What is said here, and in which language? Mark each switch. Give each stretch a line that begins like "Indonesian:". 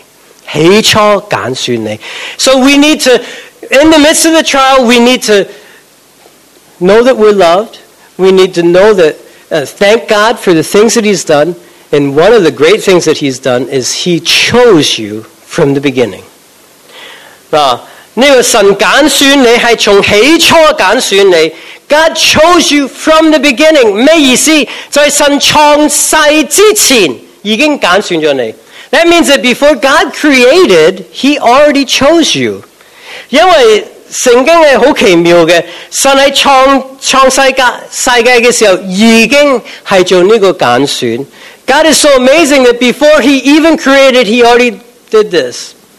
Chinese: 神是拣选你,我们在困难里面,我们第一要记得神的爱,又要感谢赞美,亦都要知道神拣选了你,起初拣选你.
English: So we need to, in the midst of the trial, we need to know that we're loved, we need to know that, thank God for the things that He's done, and one of the great things that He's done is He chose you from the beginning.
Chinese: 那个神拣选你,是从起初拣选你,
English: God chose you from the beginning.
Chinese: 什么意思? 在神创世之前,已经拣选了你.
English: That means that before God created, He already chose you.
Chinese: 因为圣经是很奇妙的, 神在创世界的时候,已经是做这个拣选.
English: God is so amazing that before He even created, He already did this.